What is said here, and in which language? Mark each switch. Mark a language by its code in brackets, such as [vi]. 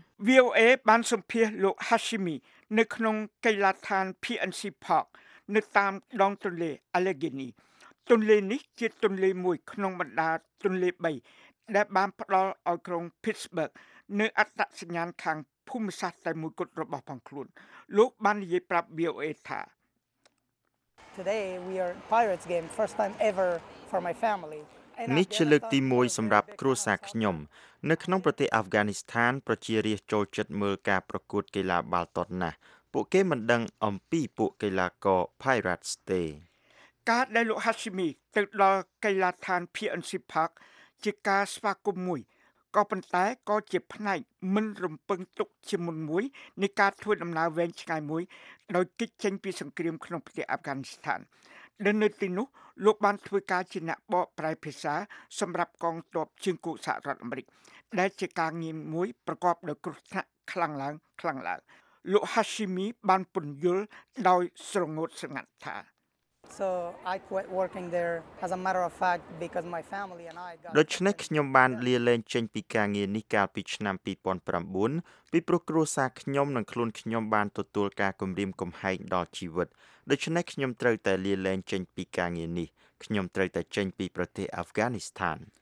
[km] VOA បានសម្ភាសលោក Hashimi នៅក្នុងកីឡាដ្ឋាន PNC Park នៅតាមដងទន្លេ Allegheny ទន្លេនេះជាទន្លេមួយក្នុងបណ្ដាទន្លេ3ដែលបានផ្ដល់ឲ្យក្រុង Pittsburgh នៅអត្តសញ្ញាណខាងភូមិសាស្ត្រតែមួយគត់របស់ផងខ្លួនលោកបាននិយាយប្រាប់ VOA ថា [en] Today we are Pirates game first time ever for my family [km] នេះជាលើកទី1សម្រាប់គ្រួសារខ្ញុំនៅក្នុងប្រទេសអាហ្វហ្គានីស្ថានប្រជារាស្ត្រចូលចិត្តមើលការប្រកួតកីឡាបាល់ទាត់ណាស់ពួកគេមិនដឹងអំពីពួកកីឡាករ Pirates ទេ ការដែលលោក Hashimi ទៅដល់កីឡាដ្ឋាន PNC Park ជាការស្វាគមន៍មួយក៏ប៉ុន្តែក៏ជាផ្នែកមិនរំពឹងទុកជាមុនមួយនៃការធ្វើដំណើរវែងឆ្ងាយមួយដោយគេចចេញពីសង្គ្រាមក្នុងប្រទេសអាហ្វហ្គានីស្ថានដែលនៅទីនោះលោកបានធ្វើការជាអ្នកបកប្រែភាសាសម្រាប់កងទ័ពជើងគោកសហរដ្ឋអាមេរិកដែលជាការងារមួយប្រកបដោយគ្រោះថ្នាក់ខ្លាំងឡើងខ្លាំងឡើងលោក Hashimi បានពន្យល់ដោយស្រងូតស្ងាត់ថា [en] So I quit working there as a matter of fact because my family and I got [km] ដូច្នេះខ្ញុំបានលាលែងចេញពីការងារនេះកាលពីឆ្នាំ2009ពីព្រោះគ្រួសារខ្ញុំនិងខ្លួនខ្ញុំបានទទួលការគំរាមកំហែងដល់ជីវិតដូច្នេះខ្ញុំត្រូវតែលាលែងចេញពីការងារនេះខ្ញុំត្រូវតែចេញពីប្រទេសអាហ្វហ្គានីស្ថាន